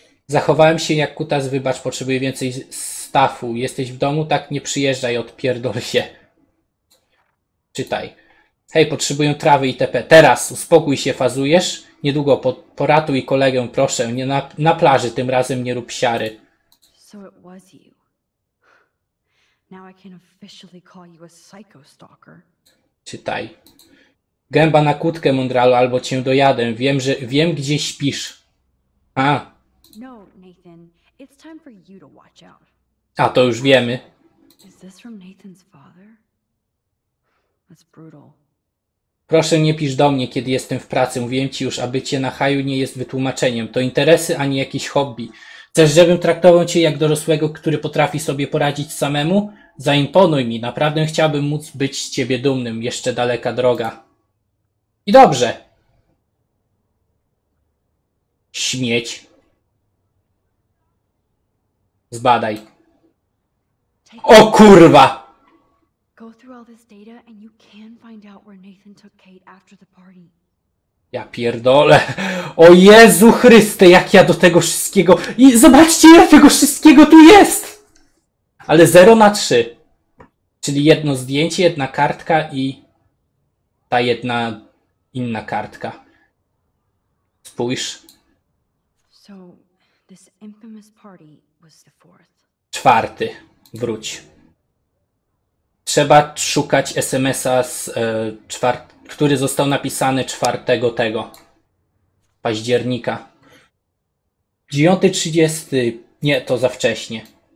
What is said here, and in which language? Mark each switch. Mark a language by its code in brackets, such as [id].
[pl] Zachowałem się jak kutas, wybacz, potrzebuję więcej stafu. Jesteś w domu? Tak, nie przyjeżdżaj, odpierdol się. Czytaj. Hej, potrzebuję trawy itp. Teraz, uspokój się, fazujesz? Niedługo, poratuj kolegę, proszę, nie na plaży, tym razem nie rób siary. [en] So it was you. Now I can officially call you a psycho stalker. [pl] Czytaj. Gęba na kłódkę, mądralu, albo cię dojadę. Wiem, gdzie śpisz. A. [en] No, Nathan, it's time for you to watch out. [pl] A, to już wiemy. [en] Is this from Nathan's father? That's brutal. [pl] Proszę, nie pisz do mnie, kiedy jestem w pracy. Mówiłem ci już, a bycie na haju nie jest wytłumaczeniem. To interesy, a nie jakieś hobby. Chcesz, żebym traktował cię jak dorosłego, który potrafi sobie poradzić samemu? Zaimponuj mi. Naprawdę chciałbym móc być z ciebie dumnym. Jeszcze daleka droga. I dobrze. Śmieć. Zbadaj. O kurwa! [en] Go through all this data and you can find out where Nathan took Kate after the party. [pl] Ja pierdolę. O Jezu Chryste, jak ja do tego wszystkiego... I zobaczcie, ile tego wszystkiego tu jest! Ale 0 na 3. Czyli jedno zdjęcie, jedna kartka i... ta jedna inna kartka. Spójrz. [en] So, this infamous party was the fourth. [pl] Czwarty. Wróć. Trzeba szukać SMS-a, który został napisany 4 tego października. 9.30. Nie, to za wcześnie.